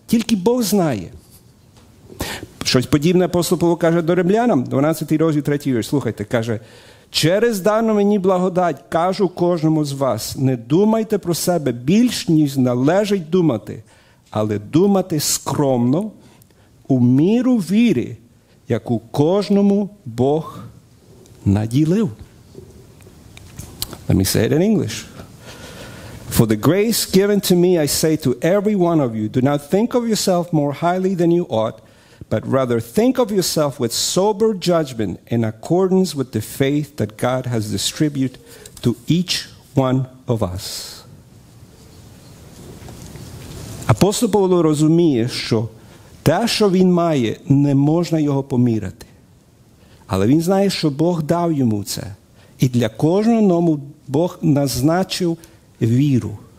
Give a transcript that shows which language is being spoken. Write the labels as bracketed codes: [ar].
[uk] Тільки Бог знає. Щось подібне апостол Павло каже до римлянам, 12 розділ 3 вірш, слухайте, каже, через дану мені благодать, кажу кожному з вас, не думайте про себе більш, ніж належить думати, але думати скромно, у міру віри, яку кожному Бог наділив. [en] Let me say it in English. For the grace given to me, I say to every one of you, do not think of yourself more highly than you ought, but rather think of yourself with sober judgment in accordance with the faith that God has distributed to each one of us. [uk] Апостол Павло розуміє, що те, що він має, не можна його поміряти. Але він знає, що Бог дав йому це. І для кожного Бог назначив віру.